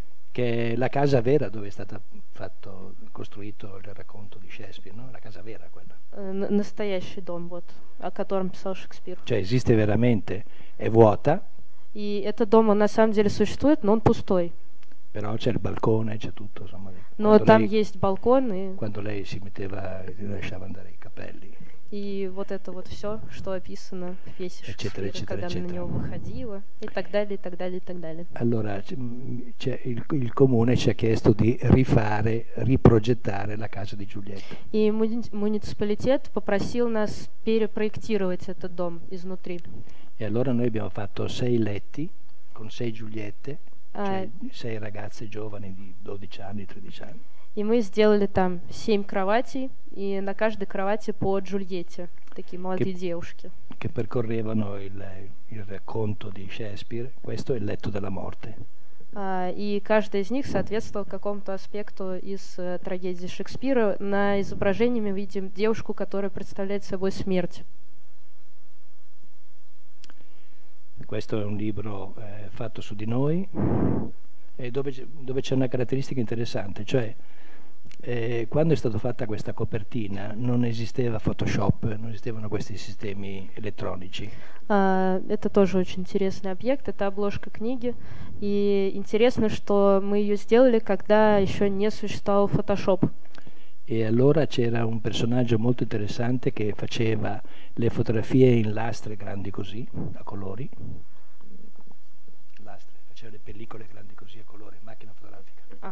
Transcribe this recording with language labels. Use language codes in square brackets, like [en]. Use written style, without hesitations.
[it] Che è la casa vera dove è stato fatto costruito il racconto di Shakespeare, no? La casa vera quella. [ru] Настоящий дом, вот, о котором писал Шекспир. [it] Cioè esiste veramente, è vuota. [ru] И этот дом, он на самом деле существует, но он пустой. [it] Però c'è il balcone, c'è tutto, insomma. [ru] Но там есть балкон и. [it] Quando lei si metteva, lasciava andare i capelli. [ru] И вот это вот все, что описано в пьесе Шекспира, когда она на него выходила, и так далее, и так далее, и так далее. [it] Allora, il comune ci ha chiesto di rifare, riprogettare la casa di Giulietta. [ru] И муниципалитет попросил нас перепроектировать этот дом изнутри. [it] E allora noi abbiamo fatto sei letti con sei Giuliette, cioè sei ragazze giovani di 12 anni, 13 anni. [ru] И мы сделали там семь кроватей, и на каждой кровати по Джульетте, такие молодые девушки. [it] Che percorrevano il racconto di Shakespeare, questo è il letto della morte. [ru] И каждая из них соответствовала какому-то аспекту из трагедии Шекспира. На изображении мы видим девушку, которая представляет собой смерть. [it] Questo è un libro fatto su di noi, e dove c'è una caratteristica interessante, cioè quando è stata fatta questa copertina non esisteva Photoshop, non esistevano questi sistemi elettronici. [ru] Это тоже очень интересный объект, это обложка книги, и интересно, что мы ее сделали, когда еще не существовал Photoshop. [it] E allora c'era un personaggio molto interessante che faceva le fotografie in lastre grandi così, a colori. Lastre, faceva le pellicole grandi così a colori, macchina fotografica.